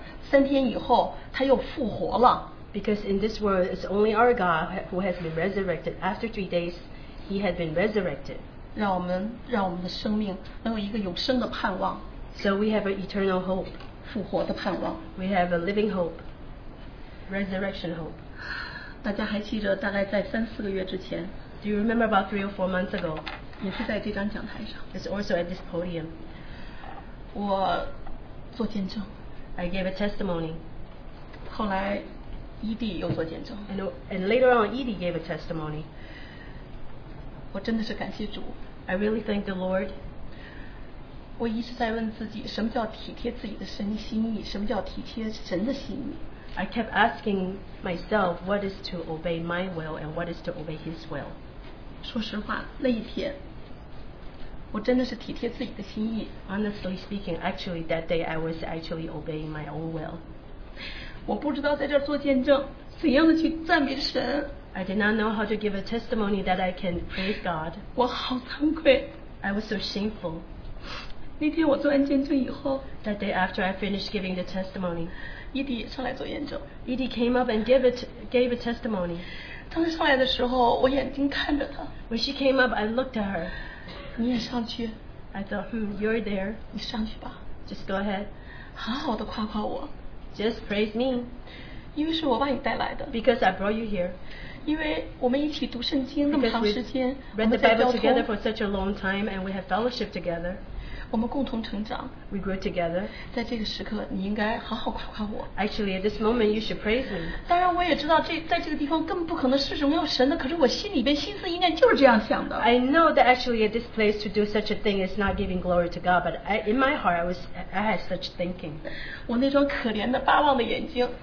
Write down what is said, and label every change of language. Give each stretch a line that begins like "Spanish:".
English: Because in this world, it's only our God who has been resurrected. After 3 days, he had been resurrected.
Chinese: 让我们的生命能有一个永生的盼望
English: So we have an eternal hope
Chinese: 复活的盼望
English: We have a living hope Resurrection hope
Chinese: 大家还记得大概在三四个月之前
English: Do you remember about 3 or 4 months ago?
Chinese: 也是在这张讲台上
English: It's also at this podium
Chinese: 我做见证
English: I gave a testimony
Chinese: 后来伊蒂又做见证
English: And later on, Edie gave a testimony
Chinese: 我真的是感谢主
English: I really thank the Lord.
Chinese: 我一直在问自己, 什么叫体贴自己的神心意, 什么叫体贴神的心意?
English: I kept asking myself what is to obey my will and what is to obey his will.
Chinese: 说实话, 那一天, 我真的是体贴自己的心意。
English: Honestly speaking, actually that day I was actually obeying my own will.
Chinese: 我不知道在这做见证, 怎样的去赞美神。
English: I did not know how to give a testimony that I can praise God.
Chinese: 我好惭愧。
English: I was so shameful.
Chinese: 那天我做完见证以后,
English: that day after I finished giving the testimony, Edie came up and gave a testimony.
Chinese: 当上来的时候, 我眼睛看着她。
English: When she came up, I looked at her.
Chinese: 你也上去。
English: I thought, you're there.
Chinese: 你上去吧。
English: Just go ahead.
Chinese: 好好地夸夸我。
English: Just praise me.
Chinese: 因为是我把你带来的。
English: Because I brought you here.
Chinese: 因为我们一起读圣经那么长时间
English: Read the Bible together for such a long time and we have fellowship together
Chinese: 我们共同成长
English: We grew together
Chinese: 在这个时刻你应该好好夸夸我
English: Actually at this moment you should praise me
Chinese: 当然我也知道在这个地方更不可能是荣耀神的可是我心里边心思应该就是这样想的
English: I know that actually at this place to do such a thing is not giving glory to God but in my heart I had such thinking
Chinese: 我那双可怜的巴望的眼睛